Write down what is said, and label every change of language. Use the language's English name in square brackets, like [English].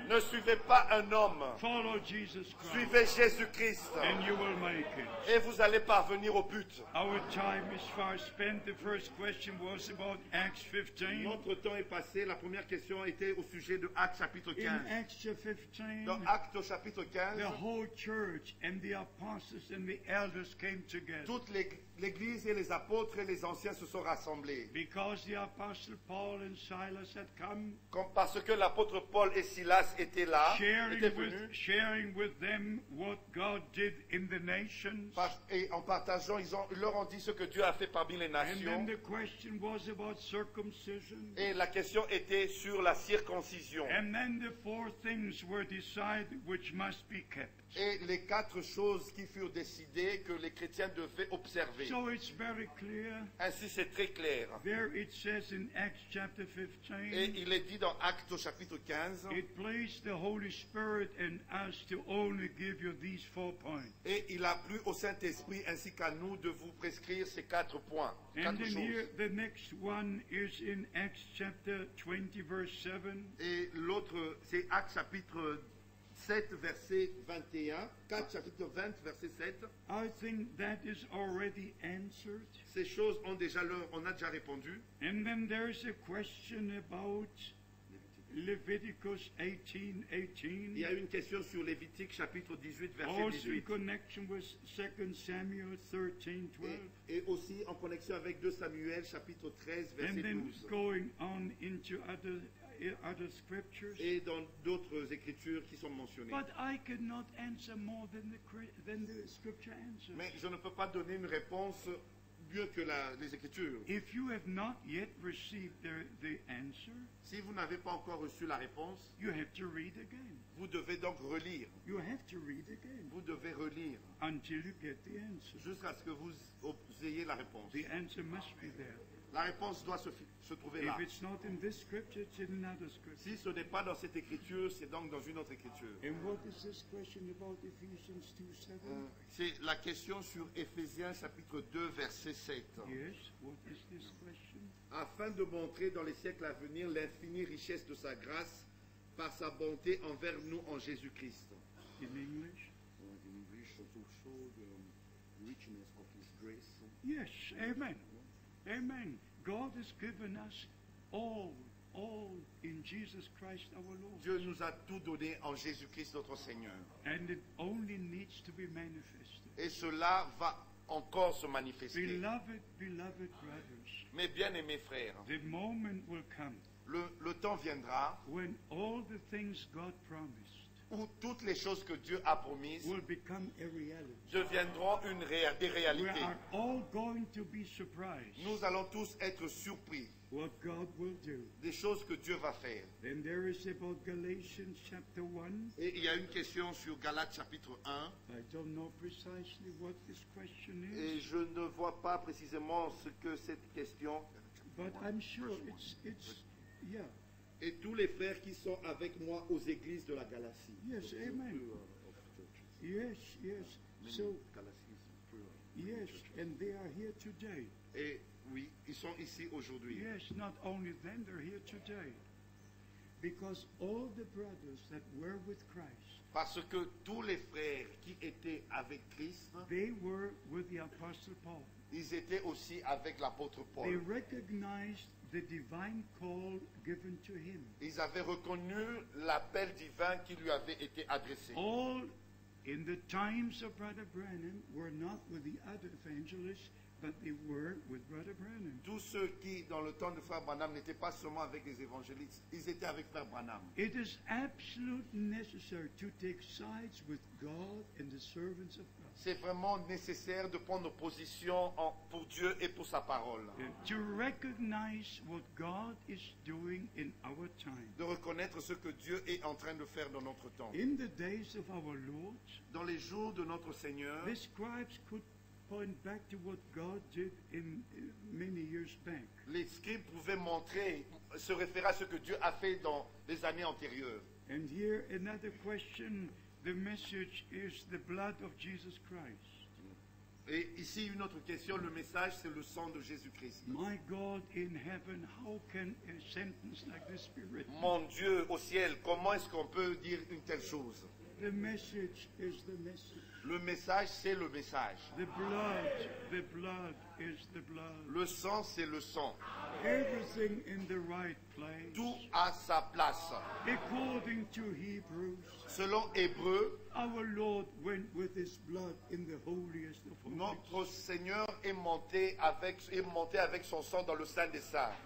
[French] Ne suivez pas un homme. [English] Follow Jesus Christ. [French] Suivez Jésus Christ. [English] And you will make it. [French] Et vous allez parvenir au but. [English] Our time is far spent. The first question was about Acts 15. [French] Notre temps est passé. La première question était au sujet de Actes chapitre 15. [English] In Acts 15. [French] Dans Acte chapitre 15. [English] The whole church and the apostles and the elders came together. [French] Toute l'église et les apôtres et les anciens se sont rassemblés. [English] Because the apostle Paul and Silas had come. [French] Comme parce que l'apôtre Paul et Silas étaient là, [English] sharing with them what God did in the nations. [French] Et en partageant, ils leur ont dit ce que Dieu a fait parmi les nations. [English] And then the question was about circumcision. [French] Et la question était sur la circoncision. [English] And then the four things were decided which must be kept. [French] Et les quatre choses qui furent décidées que les chrétiens devaient observer. [English] So it's very clear. [French] Ainsi, c'est très clair. [English] There it says in Acts chapter 15, [French] et il est dit dans Actes au chapitre 15. [English] It pleased the Holy Spirit and us to only give you these four points. [French] Et il a plu au Saint-Esprit ainsi qu'à nous de vous prescrire ces quatre points. [English] And [French] quatre [English] then here, the next one is in Acts chapter 20, verse 7. [French] Et l'autre, c'est Actes chapitre 7 verset 21, 4 chapitre 20 verset 7. [English] I think that is already answered. [French] Ces choses ont déjà on a déjà répondu. [English] And then there is a question about Leviticus 18:18. [French] Il y a une question sur Lévitique chapitre 18 verset 18. [English] Also in connection with 2 Samuel 13:12. [French] Et aussi en connexion avec 2 Samuel chapitre 13 verset 12. [English] And then going on into other scriptures. [French] Et dans d'autres écritures qui sont mentionnées. [English] But I cannot answer more than the scripture answers. [French] Mais je ne peux pas donner une réponse mieux que les écritures. [English] If you have not yet received the answer, [French] si vous n'avez pas encore reçu la réponse, [English] you have to read again. [French] Vous devez donc relire. [English] You have to read again. [French] Vous devez relire. [English] Until you get the answer. [French] Jusqu'à ce que vous ayez la réponse. [English] The answer must be there. [French] La réponse doit se trouver [English] if [French] là. [English] It's not in this scripture, it's in another scripture. [French] Si ce n'est pas dans cette écriture, c'est donc dans une autre écriture. [English] And what is this question about Ephesians 2:7? [French] C'est la question sur Éphésiens chapitre 2, verset 7. [English] Yes, what is this question? [French] Afin de montrer dans les siècles à venir l'infinie richesse de sa grâce par sa bonté envers nous en Jésus-Christ. [English] In English? In English, to show the richness of his grace. Yes, amen. Amen. God has given us all in Jesus Christ our Lord. [French] Dieu nous a tout donné en Jésus-Christ notre Seigneur. [English] And it only needs to be manifested. [French] Et cela va encore se manifester. [English] Beloved brothers. [French] Mes bien-aimés frères. [English] The moment will come. [French] Le temps viendra. [English] When all the things God promised. [French] Où toutes les choses que Dieu a promises. [English] Will become a reality. [French] Deviendront des réalités. [English] We are all going to be surprised. [French] Nous allons tous être surpris [English] what God will do. [French] Des choses que Dieu va faire. [English] Then there is about Galatians chapter 1. [French] Et il y a une question sur Galates chapitre 1. [English] I don't know precisely what this question is. [French] Et je ne vois pas précisément ce que cette question. [English] But I'm sure it's yeah. [French] Et tous les frères qui sont avec moi aux églises de la Galatie. [English] Yes, amen. Yes, yes. So, yes, and they are here today. [French] Et oui, ils sont ici aujourd'hui. [English] Yes, not only then, they're here today. Because all the brothers that were with Christ, [French] parce que tous les frères qui étaient avec Christ, [English] they were with the Apostle Paul. [French] Ils étaient aussi avec l'apôtre Paul. [English] They recognized the divine call given to him. [French] Ils avaient reconnu l'appel divin qui lui avait été adressé. [English] All in the times of Brother Branham were not with the other evangelists, but they were with Brother Branham. [French] Tous ceux qui, dans le temps de Frère Branham, n'étaient pas seulement avec les évangélistes, ils étaient avec Frère Branham. [English] It is absolutely necessary to take sides with God and the servants of God. [French] C'est vraiment nécessaire de prendre position pour Dieu et pour sa parole. [English] To recognize what God is doing in our time. [French] De reconnaître ce que Dieu est en train de faire dans notre temps. [English] In the days of our Lord, [French] dans les jours de notre Seigneur, [English] the scribes could point back to what God did in many years back. [French] Les scribes pouvaient montrer se référer à ce que Dieu a fait dans les années antérieures. [English] And here another question, the message is the blood of Jesus Christ. [French] Et ici une autre question, le message c'est le sang de Jésus-Christ. [English] My God in heaven, how can a sentence like this be written? [French] Mon Dieu au ciel, comment est-ce qu'on peut dire une telle chose? [English] The message is the message. [French] Le message c'est le message. [English] The blood is the blood. [French] Le sang c'est le sang. [English] Everything in the right place. [French] Tout à sa place. [English] According to Hebrews. [French] Selon Hébreux. [English] Our Lord went with his blood in the holiest of holies. [French] Notre Seigneur est monté avec son sang dans le Saint des Saints.